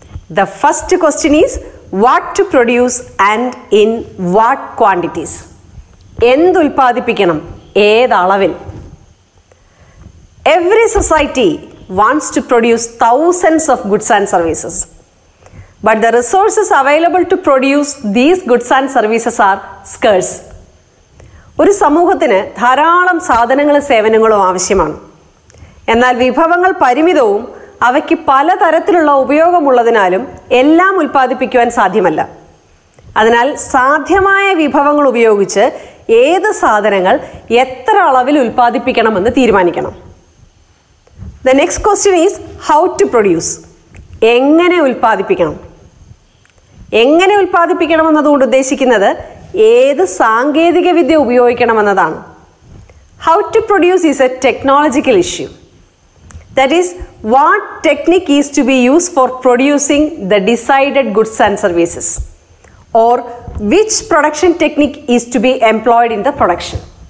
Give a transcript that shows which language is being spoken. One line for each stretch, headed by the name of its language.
English: The first question is what to produce and in what quantities.
Malayalam: എന്തുൽപ്പാദിപ്പിക്കണം, ഏതളവിൽ.
English: Every society wants to produce thousands of goods and services. But the resources available to produce these goods and services are scarce.
Malayalam: ഒരു സമൂഹത്തിന് ധാരാളം സാധനങ്ങളും സേവനങ്ങളും ആവശ്യമാണ്. എന്നാൽ വിഭവങ്ങൾ പരിമിതവും അവയ്ക്ക് പലതരത്തിലുള്ള ഉപയോഗമുള്ളതിനാലും എല്ലാം ഉൽപ്പാദിപ്പിക്കുവാൻ സാധ്യമല്ല. അതിനാൽ സാധ്യമായ വിഭവങ്ങൾ ഉപയോഗിച്ച് ഏത് സാധനങ്ങൾ എത്ര അളവിൽ ഉൽപ്പാദിപ്പിക്കണമെന്ന് തീരുമാനിക്കണം.
English: The next question is how to produce.
Malayalam: എങ്ങനെ ഉൽപ്പാദിപ്പിക്കണം. എങ്ങനെ ഉൽപ്പാദിപ്പിക്കണമെന്നതുകൊണ്ട് ഉദ്ദേശിക്കുന്നത് ഏത് സാങ്കേതിക വിദ്യ ഉപയോഗിക്കണമെന്നതാണ്.
English: How to produce is a technological issue. That is what technique is to be use for producing the decided goods and services or which production technique is to be employed in the production.